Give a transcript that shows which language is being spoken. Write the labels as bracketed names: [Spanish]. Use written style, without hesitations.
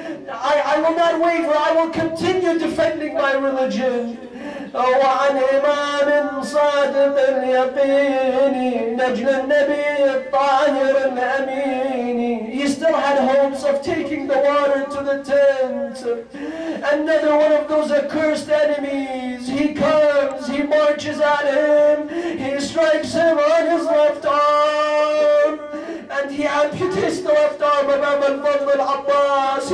[English] I will not waver, I will continue defending my religion. [Arabic] وعن إمام صادق اليقين نجل النبي الطاهر الأمين. [English] He still had hopes of taking the water to the tent. Another one of those accursed enemies. He comes, he marches at him, he strikes him on his left arm, and he amputates the left arm of Abul Fadl al-Abbas.